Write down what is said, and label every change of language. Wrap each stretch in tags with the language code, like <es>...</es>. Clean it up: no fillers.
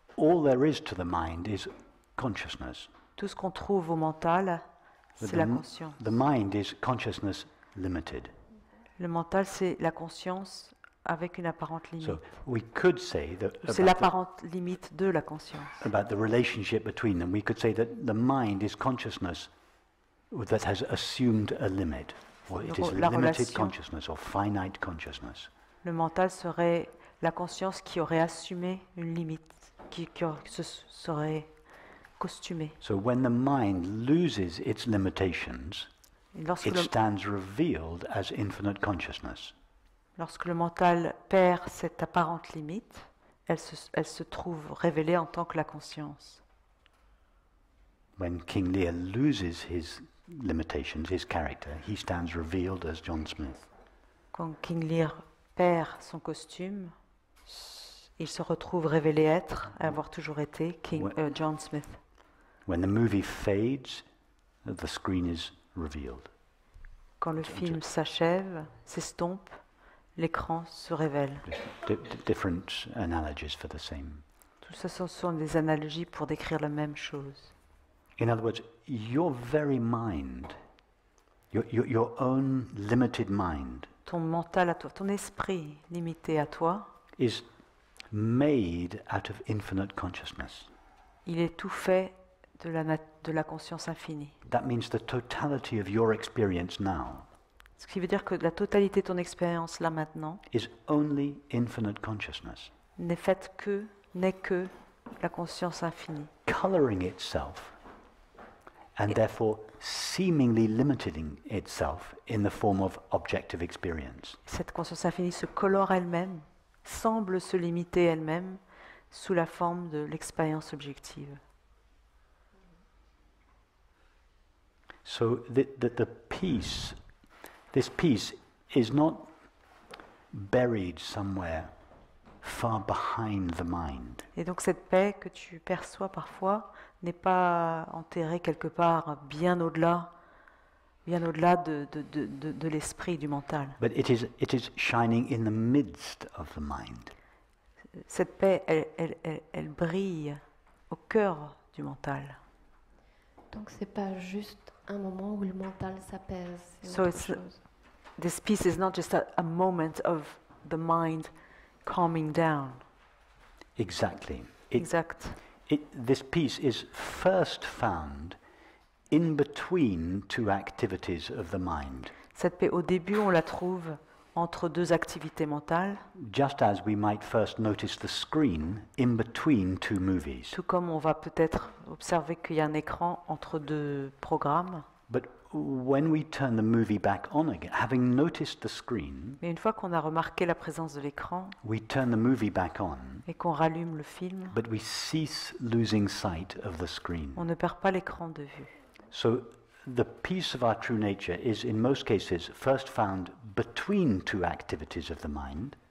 <en>All there is to the mind is consciousness.</en> <fr>Tout ce qu'on trouve au mental, c'est la conscience.</fr> <en>The mind is consciousness limited.</en> <fr>Le mental c'est la conscience avec une apparente limite.</fr> <en>So we could say that</en> <fr>c'est l'apparente limite de la conscience.</fr> <en>About the relationship between them, we could say that the mind is consciousness that has assumed a limit, or it is limited consciousness or finite consciousness.</en> <fr>Le mental serait la conscience qui aurait assumé une limite, qui se serait costumée.</fr> <en>So when the mind loses its limitations, it stands revealed as infinite consciousness.</en> <fr>Lorsque le mental perd cette apparente limite, elle se trouve révélée en tant que la conscience.</fr> <en>When King Lear loses his limitations, his character, he stands revealed as John Smith.</en> <fr>Quand King Lear perd son costume, il se retrouve révélé être et avoir toujours été John Smith.</fr> <en>When the movie fades, the screen is revealed.</en> <fr>Quand le film s'achève, s'estompe, l'écran se révèle.</fr> <en>Different analogies for the same.</en> <fr>Tout ça, ce sont des analogies pour décrire la même chose.</fr> <en>In other words, your very mind, your own limited mind,</en> <fr>ton mental à toi, ton esprit limité à toi,</fr> <en>is made out of infinite consciousness.</en> <fr>Il est tout fait de la conscience infinie.</fr> <en>That means the totality of your experience now.</en> <fr>Ce qui veut dire que la totalité de ton expérience là maintenant</fr> <en>is only infinite consciousness.</en> <fr>N'est que la conscience infinie.</fr> <en>Coloring itself and therefore seemingly limiting itself in the form of objective experience.</en> <fr>Cette conscience infinie se colore elle-même, semble se limiter elle-même sous la forme de l'expérience objective.</fr> <en>So the peace, this peace is not buried somewhere far behind the mind.</en> <fr>Et donc cette paix que tu perçois parfois n'est pas enterrée quelque part bien au-delà de l'esprit, du mental.</fr> <en>But it is shining in the midst of the mind.</en> <fr>Cette paix, elle brille au cœur du mental. Donc c'est pas juste un moment où le mental s'apaise.</fr> <en>So it's this peace is not just a moment of the mind calming down. Exactly.</en> <fr>Exact.</fr> <en>This peace is first found in between two activities of the mind.</en> <fr>Cette paix, au début, on la trouve entre deux activités mentales.</fr> <en>Just as we might first notice the screen in between two movies.</en> <fr>Tout comme on va peut-être observer qu'il y a un écran entre deux programmes.</fr> <en>But when we turn the movie back on again, having noticed the screen,</en> <fr>mais une fois qu'on a remarqué la présence de l'écran,</fr> <en>we turn the movie back on,</en> <fr>et qu'on rallume le film,</fr> <en>but we cease losing sight of the screen.</en> <fr>On ne perd pas l'écran de vue.</fr> <en>So the peace of our true nature is in most cases first found between two activities of the mind.</en>